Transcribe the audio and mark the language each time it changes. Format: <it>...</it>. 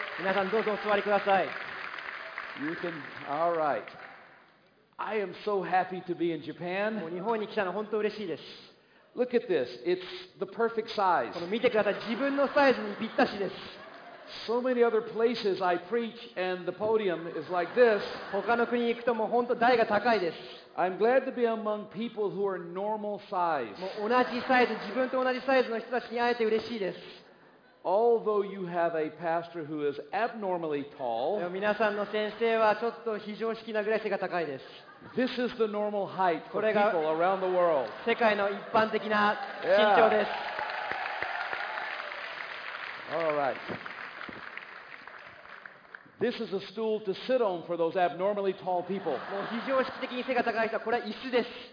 <ja>皆さんどうぞお座りください。</ja> <en>You can, all right. I am so happy to be in Japan.</en> <ja>もう日本に来たの本当嬉しいです。</ja> <en>Look at this. It's the perfect size.</en> <ja>この見てください。自分のサイズにぴったしです。</ja> <en>So many other places I preach and the podium is like this.</en> <ja>他の国に行くともう本当台が高いです。</ja> <en>I'm glad to be among people who are normal size.</en> <ja>もう同じサイズ、自分と同じサイズの人たちに会えて嬉しいです。</ja> <en>Although you have a pastor who is abnormally tall,</en> <ja>皆さんの先生はちょっと非常識なぐらい背が高いです。</ja> <en>This is the normal height for people around the world.</en> <ja>世界の一般的な身長です。</ja> <en>All right. This is a stool to sit on for those abnormally tall people.</en> <ja>もう非常識的に背が高い人はこれは椅子です。</ja>